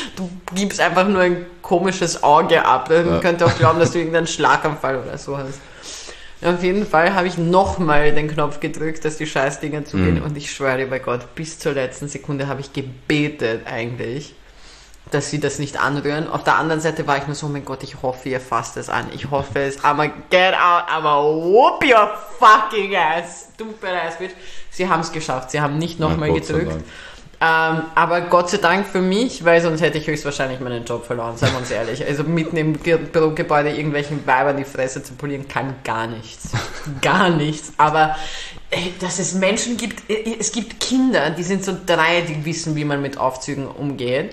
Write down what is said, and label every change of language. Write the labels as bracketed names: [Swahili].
[German] Du gibst einfach nur ein komisches Auge ab. Man könnte auch glauben, dass du irgendeinen Schlaganfall oder so hast. Und auf jeden Fall habe ich nochmal den Knopf gedrückt, dass die Scheißdinger zugehen. Und ich schwöre dir bei Gott, bis zur letzten Sekunde habe ich gebetet eigentlich, dass sie das nicht anrühren. Auf der anderen Seite war ich nur so, mein Gott, ich hoffe, ihr fasst es an. Ich hoffe es. [English] I'ma get out. I'ma whoop your fucking ass. [German] Du bereist, bitch. Sie haben es geschafft. Sie haben nicht nochmal gedrückt. Aber Gott sei Dank für mich, weil sonst hätte ich höchstwahrscheinlich meinen Job verloren, seien wir uns ehrlich. Also mitten im Bürogebäude irgendwelchen Weibern die Fresse zu polieren, kann gar nichts. Gar nichts. Aber dass es Menschen gibt, es gibt Kinder, die sind so 3, die wissen, wie man mit Aufzügen umgeht.